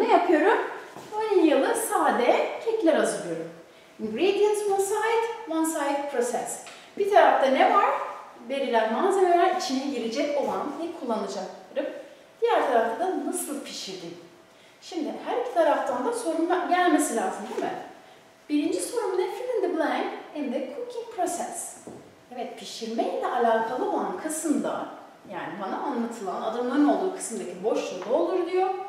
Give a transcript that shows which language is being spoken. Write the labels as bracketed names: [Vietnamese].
[Turkish] Ne yapıyorum? Vanilyalı sade kekler hazırlıyorum. [English] Ingredients one side process. [Turkish] Bir tarafta ne var? Verilen malzemeler içine girecek olan ne kullanacaklarım. Diğer tarafta da nasıl pişirdim? Şimdi her iki taraftan da sorun gelmesi lazım değil mi? Birinci sorum ne? [English] Fill in the blank in the cooking process. [Turkish] Evet, pişirmeyle alakalı olan kısımda, yani bana anlatılan adımların olduğu kısımdaki boşluğu doldur diyor.